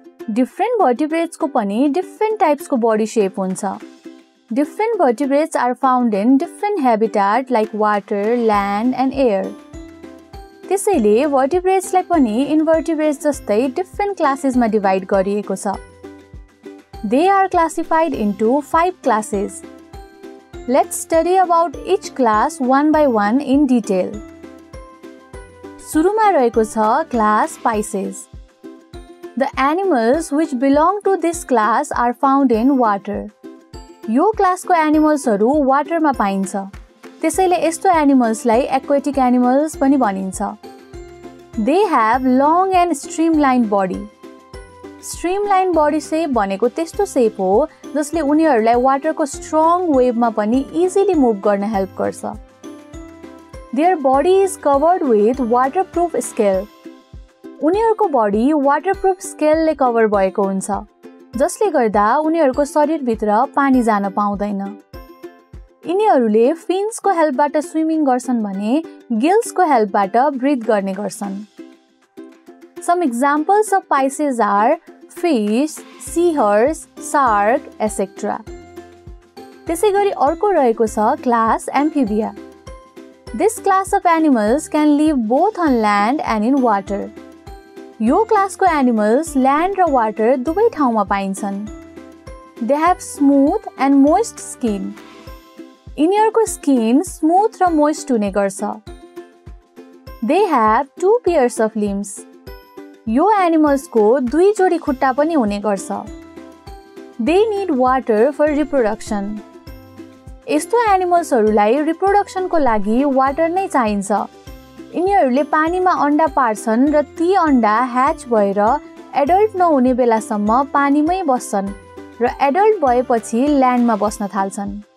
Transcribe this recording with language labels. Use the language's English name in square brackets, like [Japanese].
[Nepali] Different भर्टिब्रेट्सको पनि different टाइप्सको body सेप हुन्छ। [English] Different vertebrates are found in different habitat like water, land and air. [Nepali] त्यसैले भर्टिब्रेट्सलाई पनि इन्भर्टिब्रेट्स जस्तै डिफ्रेन्ट क्लासेसमा डिभाइड गरिएको छ। [English] They are classified into 5 classes. Let's study about each class one by one in detail. [Nepali] सुरुमा रहेको छ class Pisces. [English] The animals which belong to this class are found in water. [Nepali] यो क्लासको एनिमल्सहरू वाटरमा पाइन्छ, त्यसैले यस्तो एनिमल्सलाई एक्वेटिक एनिमल्स पनि भनिन्छ। [English] They have long and streamline body. [Nepali] Stream line body सेप भनेको त्यस्तो सेप हो जसले उनीहरूलाई वाटरको स्ट्रङ वेभमा पनि इजिली मुभ गर्न हेल्प गर्छ। [English] Their body is covered with waterproof scale. [Nepali] उनीहरूको बडी वाटर प्रुफ स्केलले कभर भएको हुन्छ जसले गर्दा उनीहरूको शरीरभित्र पानी जान पाउँदैन। यिनीहरूले फिन्सको हेल्पबाट स्विमिङ गर्छन् भने गिल्सको हेल्पबाट ब्रिथ गर्ने गर्छन्। [English] Some examples of Pisces are fish, seahorse, shark etcetera. [Nepali] त्यसै गरी अर्को रहेको छ class Amphibia. [English] This class of animals can live both on land and in water. [Nepali] यो क्लासको एनिमल्स ल्यान्ड र वाटर दुवै ठाउँमा पाइन्छन्। [English] They have smooth and moist skin. [Nepali] यिनीहरूको स्किन स्मुथ र मोइस्ट हुने गर्छ। [English] They have two pairs of limbs. [Nepali] यो एनिमल्सको दुई जोडी खुट्टा पनि हुने गर्छ। [English] They need water for reproduction. [Nepali] यस्तो एनिमल्सहरूलाई रिप्रोडक्सनको लागि वाटर नै चाहिन्छ। यिनीहरूले पानीमा अन्डा पार्छन् र ती अन्डा ह्याच भएर एडल्ट नहुने बेलासम्म पानीमै बस्छन् र एडल्ट भएपछि ल्यान्डमा बस्न थाल्छन्।